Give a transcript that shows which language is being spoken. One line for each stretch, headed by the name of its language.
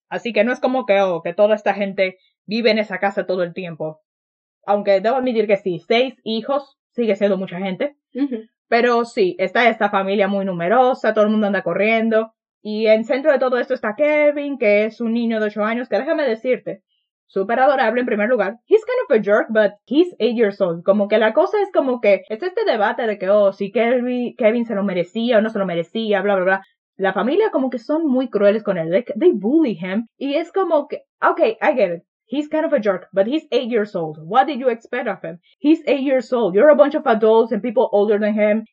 Spanish: Así que no es como que, oh, que toda esta gente vive en esa casa todo el tiempo. Aunque debo admitir que sí, 6 hijos, sigue siendo mucha gente. Uh-huh. Pero sí, está esta familia muy numerosa, todo el mundo anda corriendo. Y en centro de todo esto está Kevin, que es un niño de 8 años, que déjame decirte, súper adorable en primer lugar.
English: He's kind of a jerk, but he's 8 years old.
Spanish: Como que la cosa es como que está este debate de que, oh, si Kevin se lo merecía o no se lo merecía, bla, bla, bla. La familia como que son muy crueles con él.
English: Like, they bully him.
Spanish: Y es como que,
English: okay, I get it. He's kind of a jerk, but he's 8 years old. What did you expect of him? He's 8 years old. You're a bunch of adults and people older than him.